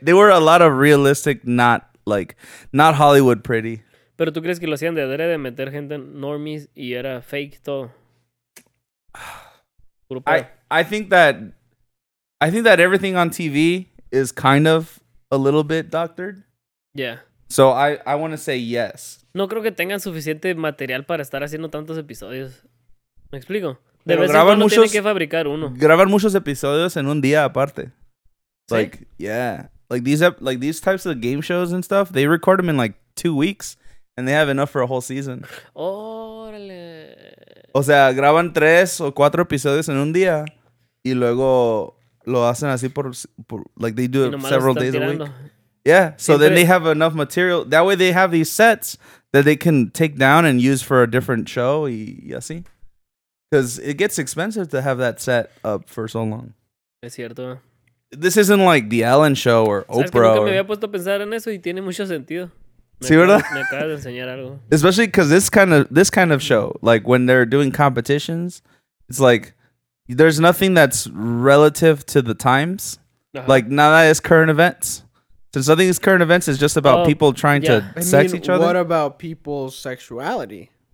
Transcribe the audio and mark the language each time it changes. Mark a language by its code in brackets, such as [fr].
[en] They were a lot of realistic, not Hollywood pretty. [es] ¿Pero tú crees que lo hacían de adrede, meter gente normies y era fake todo? Puro pedo. [en] I think that everything on TV is kind of a little bit doctored. Yeah. So I want to say yes. [es] No creo que tengan suficiente material para estar haciendo tantos episodios. ¿Me explico? De vez en cuando tienen que fabricar uno. Graban muchos episodios en un día aparte. Like, ¿sí? [en] Yeah. Like these types of game shows and stuff, they record them in like 2 weeks and they have enough for a whole season. [es] Órale. O sea, graban 3 o 4 episodios en un día y luego... Lo hacen así por [en] like they do it several days [es] tirando. [en] A week. Yeah, so siempre, then they have enough material. That way they have these sets that they can take down and use for a different show [es] y así. [en] Because it gets expensive to have that set up for so long. [es] Es cierto. [en] This isn't like the Ellen show or Oprah. [es] ¿Sabes que nunca me había puesto a pensar en eso y tiene mucho sentido? ¿Sí, verdad? Me acabas de enseñar algo. [en] Especially because this kind of show, like when they're doing competitions, it's like... There's nothing that's relative to the times. Uh-huh. Like, [es] nada es [en] current events. Since nothing is current events, it's just about people trying to sex each other. What about people's sexuality?